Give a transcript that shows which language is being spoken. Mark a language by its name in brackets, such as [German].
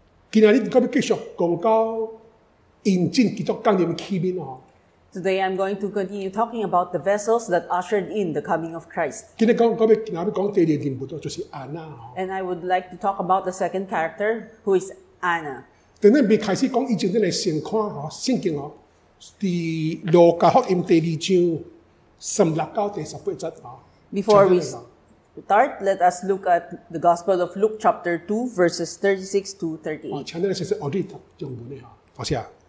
[Chinese] 今天我们继续讲到引进基督降临的器皿。 [English] Today I'm going to continue talking about the vessels that ushered in the coming of Christ. [Chinese] 今天讲第二个人物就是安娜。 [English] And I would like to talk about the second character, who is Anna. [Chinese] 等我们开始讲以前的先看圣经哦，在路加福音第二章16-18节。 [English] Before we start, let us look at the Gospel of Luke chapter 2, verses 36-38. [Chinese] 我前面是 audit 中文的，好像。